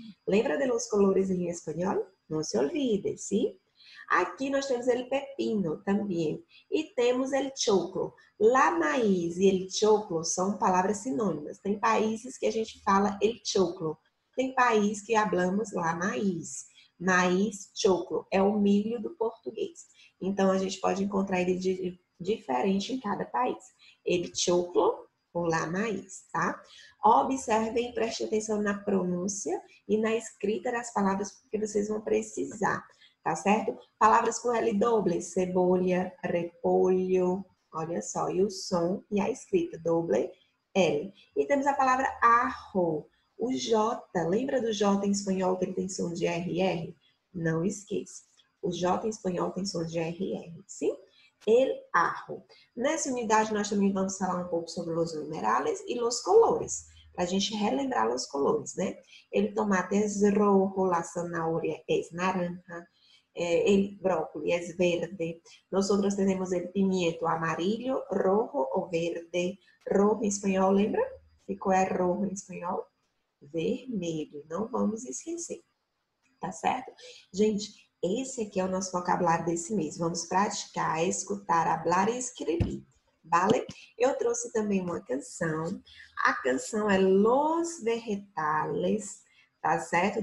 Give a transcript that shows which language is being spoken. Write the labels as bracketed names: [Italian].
[Spanish] ¿Lembra de los colores en español? No se olvide, ¿sí? Aquí nos tenemos el pepino también. Y tenemos el choclo. La maíz y el choclo son palabras sinónimas. Hay países que a gente fala el choclo. Hay países que hablamos la maíz. [Portuguese] Maíz, choclo, é o milho do português. Então, a gente pode encontrar ele de diferente em cada país. Ele choclo ou lá maíz, tá? Observem, prestem atenção na pronúncia e na escrita das palavras que vocês vão precisar, tá certo? Palavras com L doble, cebolha, repolho, olha só, e o som e a escrita, doble L. E temos a palavra arro. O J, lembra do J em espanhol que ele tem som de RR? Não esqueça. O J em espanhol tem som de RR, sim? El ajo. Nessa unidade, nós também vamos falar um pouco sobre os numerales e os colores. Para a gente relembrar os colores, né? [Spanish] El tomate es rojo, la zanahoria es naranja, el brócoli es verde. Nosotros tenemos el pimiento amarillo, rojo o verde. [Portuguese] Rojo em espanhol, lembra? Ficou é rojo em espanhol? Vermelho, não vamos esquecer, tá certo? Gente, esse aqui é o nosso vocabulário desse mês. Vamos praticar, escutar, hablar e escrever, vale? Eu trouxe também uma canção. A canção é Los Vegetales, tá certo?